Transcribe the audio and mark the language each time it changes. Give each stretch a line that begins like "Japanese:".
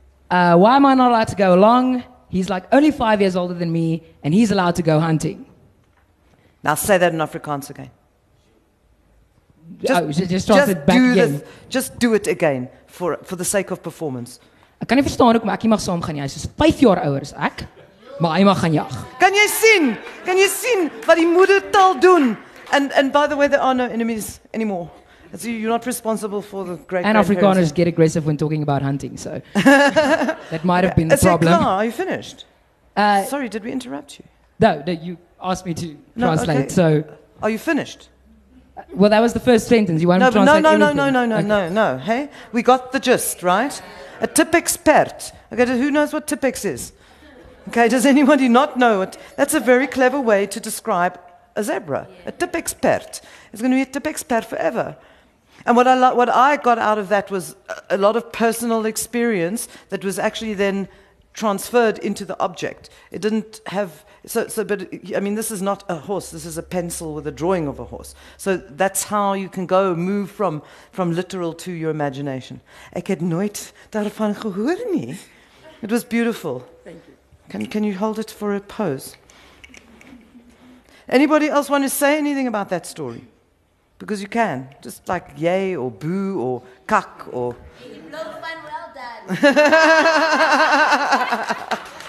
English: Why am I not allowed to go along? He's like only 5 years older than me, and he's allowed to go hunting. Now say that in Afrikaans again. Just translate back again. Just do it again for the sake of performance.
Afrikaans: Ek kan nie verstaan hoekom ek nie mag saamgaan nie. Hy is 5 jaar ouer as ek, maar hy mag gaan jag. Kan jy sien? Kan jy sien wat die moedertaal doen?
English: And by the way, there are no enemies anymore. So you're not responsible for the great. And Afrikaners get aggressive when talking about hunting, so that might have been the problem. Is it clear? Are you finished? Sorry, did we interrupt you? No, you asked me to translate. No, okay. So are you finished? Well, that was the first sentence. You want no, to translate? No. Hey, we got the gist, right? A tipex pert. Okay, who knows what tipex is? Okay, does anybody not know it? That's a very clever way to describe a zebra. A tipex pert. It's going to be a tipex pert forever. And what I got out of that was a lot of personal experience that was actually then transferred into the object. It didn't have so, this is not a horse. This is a pencil with a drawing of a horse. So that's how you can go move from literal to your imagination.
Afrikaans: Ek het nooit daarvan gehoor nie.
English: It was beautiful. Thank you. Can you hold it for a pose? Anybody else want to say anything about that story? Because you can. Just like yay or boo or kak or. You blow the fun well, Dad.